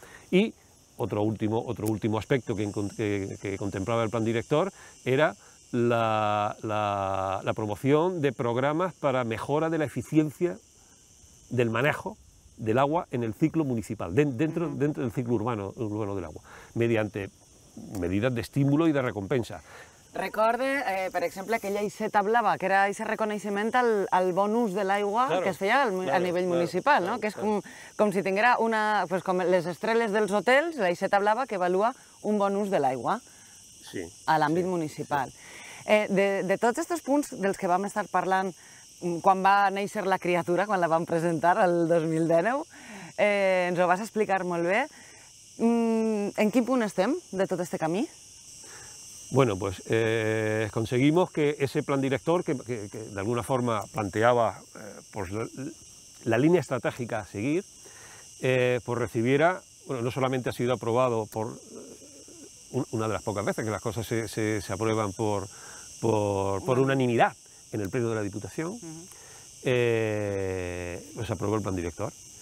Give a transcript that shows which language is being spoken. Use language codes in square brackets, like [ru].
[es] Y otro último aspecto que contemplaba el plan director era la promoción de programas para mejora de la eficiencia del manejo del agua en el ciclo municipal, dentro del ciclo urbano del agua, mediante medidas de estímulo y de recompensa. [ca] Recorde, per exemple, aquella Iseta Blava, que era aquest reconeixement al bonus de l'aigua, claro, que es feia a nivell municipal, claro, no? Que és com si tinguera una, pues, com les estrelles dels hotels, la Iseta Blava, que avalua un bonus de l'aigua, sí, a l'àmbit, sí, municipal. Sí. De tots aquests punts dels que vam estar parlant quan va néixer la criatura, quan la vam presentar el 2019, ens ho vas explicar molt bé. ¿En quin punt estem de tot aquest camí? [es] Bueno, pues conseguimos que ese plan director, que de alguna forma planteaba pues, la línea estratégica a seguir, pues recibiera, bueno, no solamente ha sido aprobado por una de las pocas veces que las cosas se aprueban por unanimidad en el Pleno de la Diputación, pues aprobó el plan director.